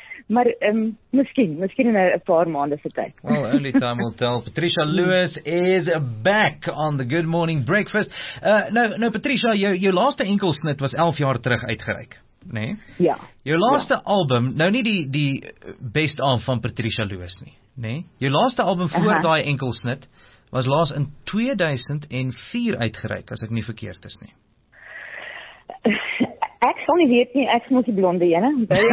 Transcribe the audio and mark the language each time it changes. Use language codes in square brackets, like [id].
[af] Maar miskien in 'n paar maande se tyd. [en] Well, only time will tell. Patricia Lewis is back on the Good Morning Breakfast. [af] Nou Patricia, jou laaste enkelsnit was 11 jaar terug uitgereik, nee? Ja. Jou laaste album, nou nie die best of van Patricia Lewis nie, nee? Jou laaste album voor daai enkelsnit was laas in 2004 uitgereik, as ek nie verkeerd is nie. Ek sal nie weet nie, ek moet die blonde jene.